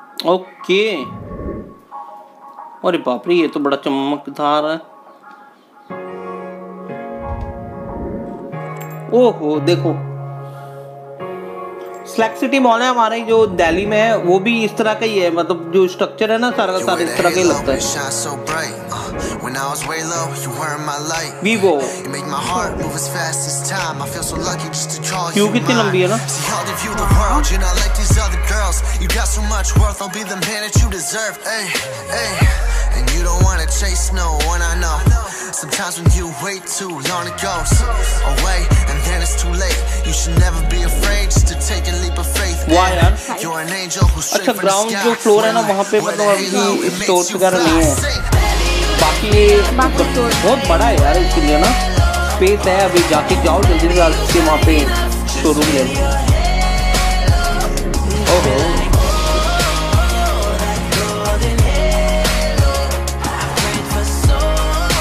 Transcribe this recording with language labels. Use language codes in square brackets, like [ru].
[hi] Okay, अरे बाप रे, ये तो बड़ा चमकदार है। ओहो देखो, स्लेक्सिटी मॉल है हमारे जो दिल्ली में है, वो भी इस तरह का ही है, मतलब जो स्ट्रक्चर है ना सारा का सारा इस तरह का ही लगता है। [en] When I was way low, you were my light. Vivo. You make my heart move as fast as time. I feel so lucky just to call you mine. See how they view the world. You're not like these other girls. You got so much worth. I'll be the man that you deserve. Hey, hey. And you don't wanna chase no one, I know. Sometimes when you wait too long, it goes away, and then it's too late. You should never be afraid just to take a leap of faith. Why, man? You're an angel who's straight from the sky. [hi] Ground, jo floor hai na, wahan pe matlab abhi stores wagera nahi hai. बाकी बहुत बड़ा है यार, इसके लिए ना space है, अभी जाके जाओ जल्दी जल्दी वहाँ पे शोरूम ले।